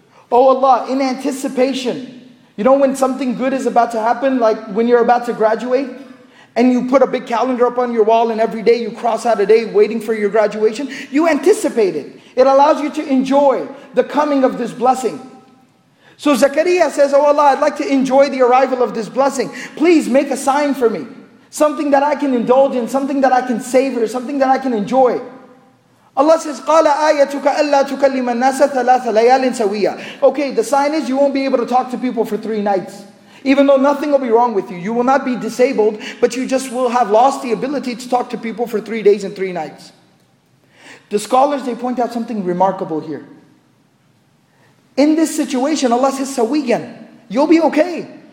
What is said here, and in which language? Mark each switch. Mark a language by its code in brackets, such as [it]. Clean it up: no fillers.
[en] Oh Allah, in anticipation. You know when something good is about to happen, like when you're about to graduate, and you put a big calendar up on your wall, and every day you cross out a day waiting for your graduation, you anticipate it. It allows you to enjoy the coming of this blessing. So Zakariyyah says, oh Allah, I'd like to enjoy the arrival of this blessing. Please make a sign for me. Something that I can indulge in, something that I can savor, something that I can enjoy. Allah says, [ar] قَالَ آيَتُكَ أَلَّا تُكَلِّمَ النَّاسَ ثَلَاثَ لَيَالٍ سَوِيَّةٍ. [en] Okay, the sign is you won't be able to talk to people for 3 nights. Even though nothing will be wrong with you, you will not be disabled, but you just will have lost the ability to talk to people for 3 days and 3 nights. The scholars, they point out something remarkable here. In this situation, Allah says, سَوِيَّةً. You'll be okay.